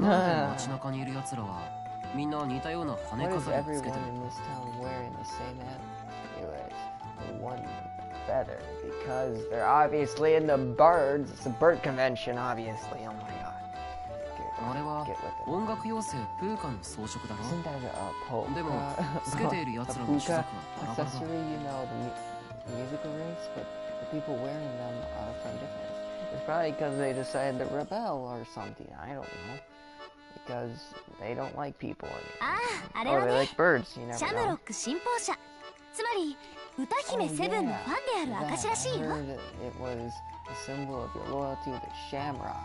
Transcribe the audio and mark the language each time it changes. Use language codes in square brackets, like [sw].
[ja] なぜ街中にいる奴らはみんな似たような羽飾りをつけてる。 [en] What is everyone in this town wearing the same hat? Anyways, one feather, because they're obviously in the birds. It's a bird convention, obviously. Oh my god. [ja] あれは音楽妖精プーカの装飾だろ。でもつけている奴らの種族はバラバラだ。 [en] You know, the musical race, but the people wearing them are from different. It's probably because they decided to rebel or something. I don't know. Because they don't like people anymore. Or they like birds. You never know. [ja] シャムロック信奉者、つまり歌姫セブンのファンである証らしいよ。 [en] It was a symbol of your loyalty to Shamrock.